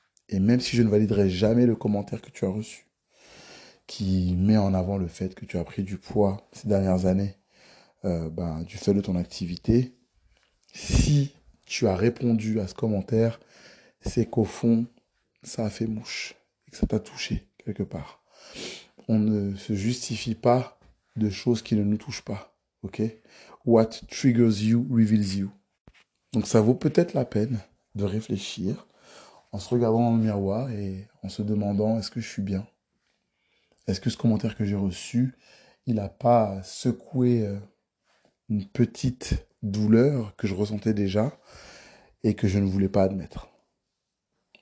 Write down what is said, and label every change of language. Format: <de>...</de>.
<fr>Et même si je ne validerai jamais le commentaire que tu as reçu, qui met en avant le fait que tu as pris du poids ces dernières années, du fait de ton activité, si tu as répondu à ce commentaire, c'est qu'au fond, ça a fait mouche, et que ça t'a touché quelque part. On ne se justifie pas de choses qui ne nous touchent pas, ok ?</fr> <en>What triggers you reveals you.</en> <fr>Donc ça vaut peut-être la peine de réfléchir, en se regardant dans le miroir et en se demandant, est-ce que je suis bien ? Est-ce que ce commentaire que j'ai reçu, il n'a pas secoué une petite douleur que je ressentais déjà et que je ne voulais pas admettre ?</fr>